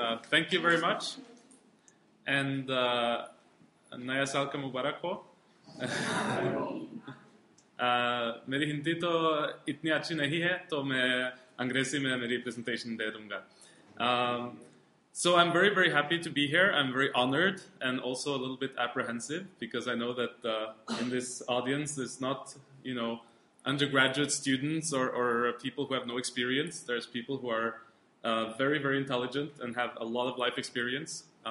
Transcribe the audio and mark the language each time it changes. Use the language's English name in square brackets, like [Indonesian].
[English] thank you very much, and naya sal ka mubarak ho. [Hindi] मेरी हिंदी तो इतनी अच्छी नहीं है, तो मैं अंग्रेज़ी में मेरी प्रेज़ेंटेशन दे दूंगा. [English] So I'm very, very happy to be here. I'm very honored and also a little bit apprehensive because I know that in this audience there's not, undergraduate students or people who have no experience. There's people who are very, very intelligent and have a lot of life experience.